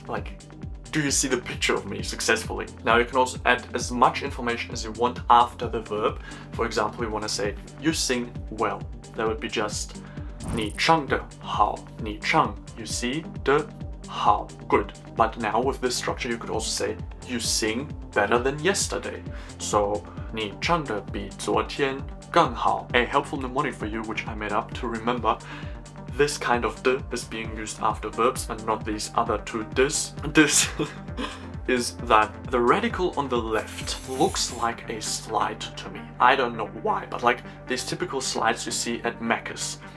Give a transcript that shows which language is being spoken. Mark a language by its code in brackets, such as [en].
[en] Like, do you see the picture of me successfully? Now you can also add as much information as you want after the verb. For example, you want to say, you sing well. That would be just [zh] 你唱得好, 你唱, [en] you see, [zh] 得好, [en] good. But now with this structure, you could also say, you sing better than yesterday. [zh] So, 你唱得比昨天更好. [en] A helpful mnemonic for you, which I made up to remember, this kind of 的 is being used after verbs and not these other two 的s. This is that the radical on the left looks like a slide to me. I don't know why, but like these typical slides you see at Macca's.